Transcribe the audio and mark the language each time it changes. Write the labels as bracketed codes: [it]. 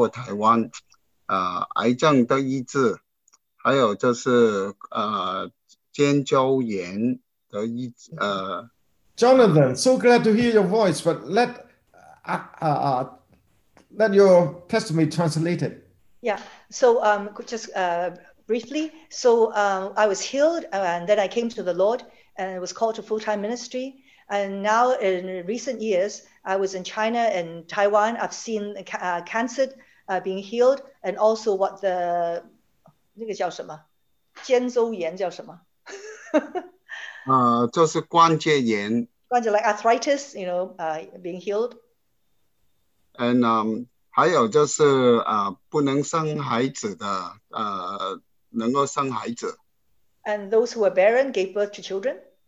[zh] 我自己得到医治，也在那个时候神呼召我，进到全世界的服事。然后这几年在中国里面的服事的时候，其实就是包括台湾，癌症的医治。 [en] Jonathan, so glad to hear your voice, but let your testimony translate it. Yeah, so briefly, so I was healed and then I came to the Lord and was called to full-time ministry. And now in recent years, I was in China and Taiwan, I've seen cancer being healed and also what the 那个叫什么？肩周炎叫什么？就是关节炎。关节 like arthritis, you know, being healed. [zh] And 还有就是不能生孩子的，能够生孩子。 And [en] those who are barren gave birth to children.